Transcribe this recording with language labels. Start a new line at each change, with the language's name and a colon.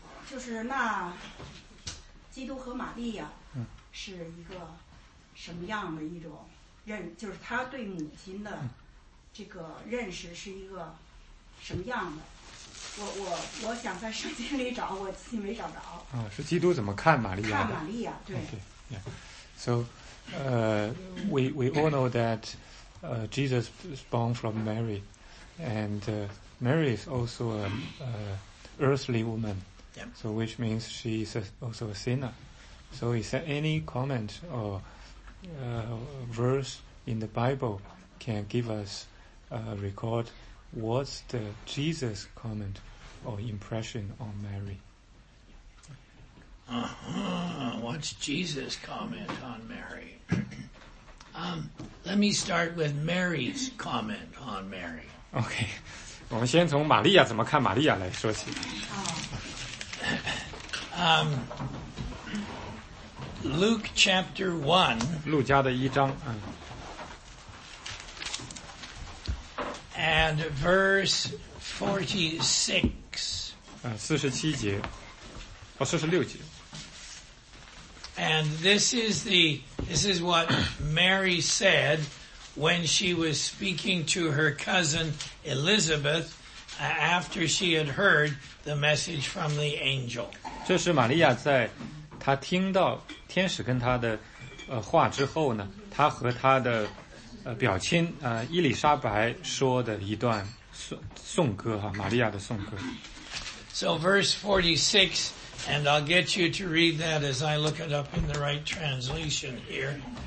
Chinese: 就是那基督和玛利亚是一个什么样的一种认，就是他对母亲的这个认识是一个什么样的？我想在圣经里找，我自己没找着。是基督怎么看玛利亚的？看玛利亚，对。
English: Okay. Yeah. So, we all know that Jesus was born from Mary, and Mary is also an earthly woman. Yep. So, which means she is also a sinner. So, is there any comment or verse in the Bible can give us a record? What's the Jesus comment or impression on Mary? What's Jesus' comment on Mary? Let me start with Mary's comment on Mary. Okay.
Chinese: 我们先从玛利亚怎么看玛利亚来说起。
English: Luke chapter 1.
Chinese: 路加的一章。
English: And verse 46.
Chinese: 46节。
English: And this is what Mary said when she was speaking to her cousin Elizabeth after she had heard the message from the angel.
Chinese: 这是玛利亚在她听到天使跟她的话之后呢，她和她的表亲伊丽莎白说的一段颂歌哈，玛利亚的颂歌。
English: So verse 46. And I'll get you to read that as I look it up in the right translation here.